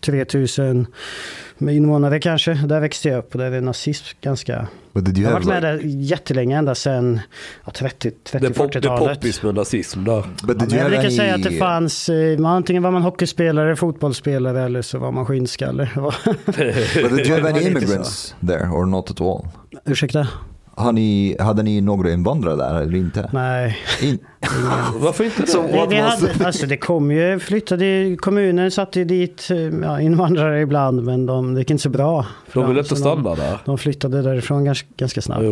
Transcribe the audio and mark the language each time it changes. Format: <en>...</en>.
<sv>3000 invånare kanske. Där växte jag upp och där är nazism ganska... Jag har varit med där jättelänge, ända sedan 30-40-talet. Det är poppis med nazism då. Jag brukar säga att det fanns, antingen var man hockeyspelare, fotbollsspelare eller så var man skinnskalle.</sv> <en>But did you have any immigrants there or not at all?</en> <sv>Ursäkta? Hade ni några invandrare där eller inte? Nej. Varför inte? Kommunen satte dit invandrare ibland, men de gick inte så bra. De ville inte stanna där. De flyttade därifrån ganska snabbt.</sv>